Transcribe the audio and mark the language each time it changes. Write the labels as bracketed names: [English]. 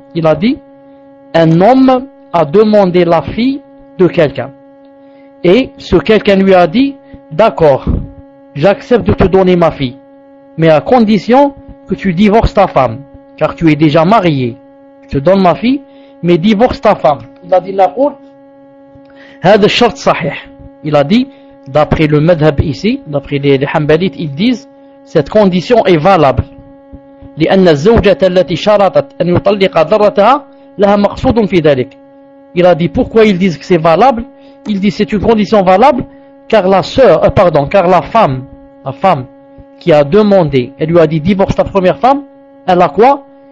[French] Il a dit, un homme a demandé la fille de quelqu'un et ce quelqu'un lui a dit, d'accord, j'accepte de te donner ma fille, mais à condition que tu divorces ta femme, car tu es déjà marié. Je te donne ma fille, mais divorce ta femme. Il a dit la cour, [Arabic] هذا الشرط صحيح. [French] Il a dit, d'après le madhhab ici, d'après les Hanbalites, ils disent cette condition est valable. [Arabic] لأن الزوجة التي شرطت أن يطلق ذرتها لها مقصود في ذلك. [French] Il a dit pourquoi ils disent que c'est valable. Il dit c'est une condition valable car la femme qui a demandé, elle lui a dit divorce ta première femme, elle a quoi?